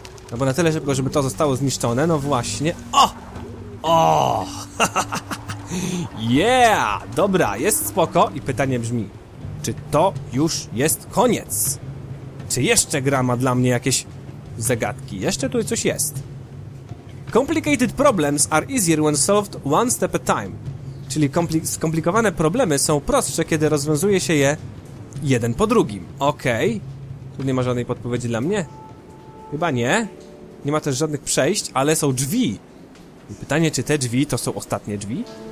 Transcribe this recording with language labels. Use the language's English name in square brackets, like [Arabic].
[Polish] No bo na tyle szybko, żeby to zostało zniszczone. No właśnie. O! Yeah! Dobra, jest spoko. I pytanie brzmi, czy to już jest koniec? Czy jeszcze gra ma dla mnie jakieś zagadki? Jeszcze tutaj coś jest. [English] Complicated problems are easier when solved one step at a time. [Polish] Czyli skomplikowane problemy są prostsze, kiedy rozwiązuje się je jeden po drugim. Okej. Tu nie ma żadnej podpowiedzi dla mnie? Chyba nie. Nie ma też żadnych przejść, ale są drzwi. I pytanie, czy te drzwi to są ostatnie drzwi?